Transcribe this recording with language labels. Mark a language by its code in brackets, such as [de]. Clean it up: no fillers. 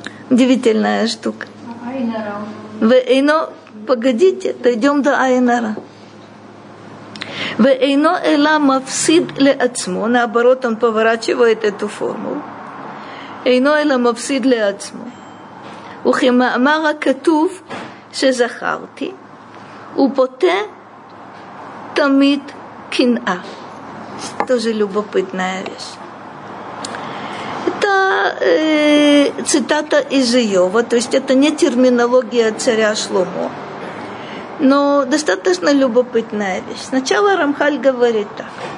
[ru] Удивительная штука. Вейно, погодите, дойдем до Айнара. [he] Вейно эла мавсид ле ацмо. [ru] Наоборот, он поворачивает эту формулу. [he] Эйно эла мавсид ле ацмо. וכמאמר הכתוב שזכרתי, ופוטה תמיד קנאה. [ru] Это же любопытная вещь. Это цитата из Иова, то есть это не терминология царя Шломо, но достаточно любопытная вещь. Сначала Рамхаль говорит так.